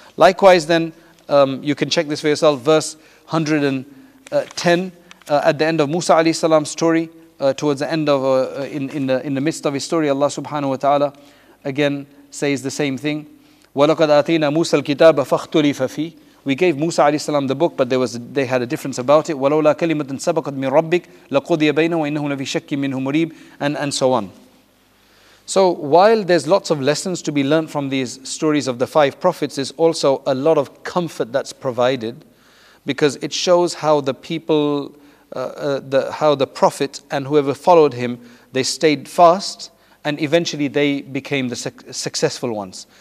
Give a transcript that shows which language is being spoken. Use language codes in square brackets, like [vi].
[en] Likewise then, you can check this for yourself, verse 110, at the end of Musa alayhi salam's story, towards the end of, in the midst of his story, Allah subhanahu wa ta'ala again says the same thing. [ar] وَلَقَدْ آتَيْنَا مُوسَى الْكِتَابَ فَاخْتُلِفَ فِيهِ. [en] We gave Musa alayhi salam the book, but they had a difference about it. [ar] وَلَوْلَا كَلِمَةٌ سَبَقَتْ مِنْ رَبِّكَ لَقُضِيَ بَيْنَهُ وَإِنَّهُ لَفِي شَكٍّ مِنْهُ مُرِيبٍ. [en] And so on. So while there's lots of lessons to be learned from these stories of the five prophets, there's also a lot of comfort that's provided, because it shows how the people, how the prophet and whoever followed him, they stayed fast, and eventually they became the successful ones.